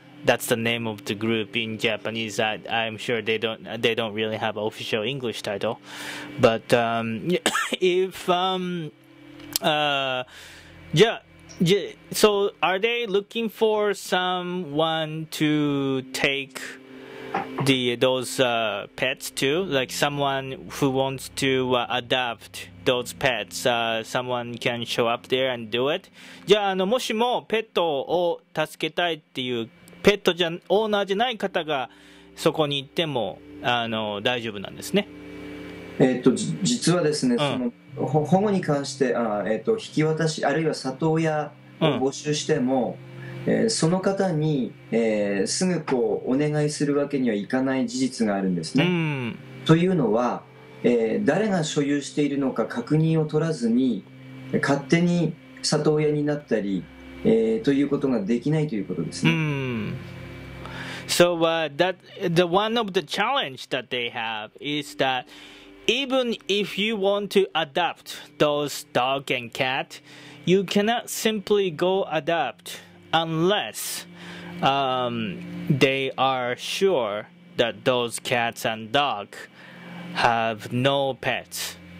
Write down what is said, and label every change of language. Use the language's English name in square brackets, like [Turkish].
[English] That's the name of the group in Japanese. I'm sure they don't really have an official English title, but so are they looking for someone to take those pets too, like someone who wants to adopt those pets? Someone can show up there and do it. [Japanese] じゃあ、もしもペットを助けたいっていうペットじゃオーナーじゃない方がそこに行っても大丈夫なんですね。実はですね、その保護に関して引き渡しあるいは里親を募集しても。その方に、すぐこうお願いするわけにはいかない事実があるんですね。というのは、誰が所有しているのか確認を取らずに勝手に里親になったり、ということができないということですね。 [English] So that the one of the challenge that they have is that even if you want to adopt those dog and cat, you cannot simply go adopt unless they are sure that those cats and dog have no pets.